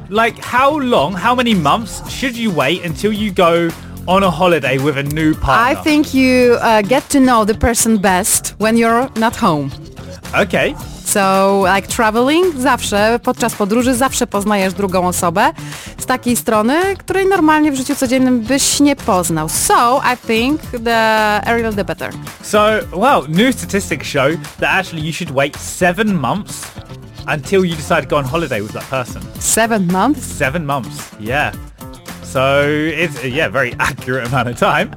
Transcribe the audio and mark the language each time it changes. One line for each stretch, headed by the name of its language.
English: Like how long, how many months should you wait until you go on a holiday with a new partner? I think you get to know the person best when you're not home. Okay. So, like traveling,
Polish: zawsze, podczas podróży, zawsze poznajesz drugą osobę z takiej strony, której normalnie w życiu codziennym byś nie poznał.
English: So, I think the earlier the better. So, well, new statistics show that actually you should wait 7 months until you decide to go on holiday with that person. 7 months? 7 months, yeah. So, it's, yeah, very accurate amount of time.